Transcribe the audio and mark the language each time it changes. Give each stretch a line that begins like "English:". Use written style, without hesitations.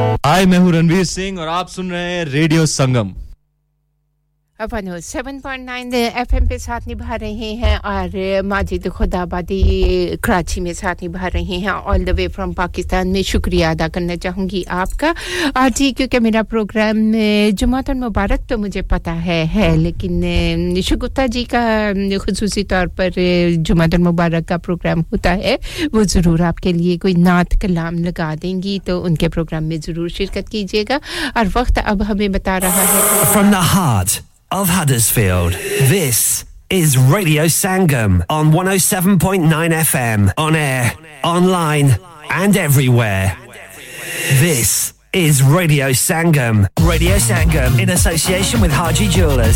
English: Hi, I'm Ranveer Singh and you're listening to Radio Sangam.
Urdu: 107.9 FM پہ ساتھ نبھا رہے ہیں اور ماجد خدا آبادی کراچی میں ساتھ نبھا رہے ہیں
English: all the way from
Urdu: Pakistan میں شکریہ ادا کرنا چاہوں گی آپ کا اور جی کیونکہ میرا پروگرام جمعہ المبارک تو مجھے پتا ہے لیکن شگفتہ جی کا خصوصی طور پر جمعہ المبارک کا پروگرام ہوتا ہے وہ ضرور آپ کے لیے کوئی نعت کلام لگا دیں گی تو ان کے پروگرام میں ضرور شرکت کیجئے گا اور وقت اب ہمیں بتا رہا ہے
English: From the heart of Huddersfield. This is Radio Sangam on 107.9 FM. On air, online, and everywhere. This is Radio Sangam. Radio Sangam, in association with Haji Jewellers.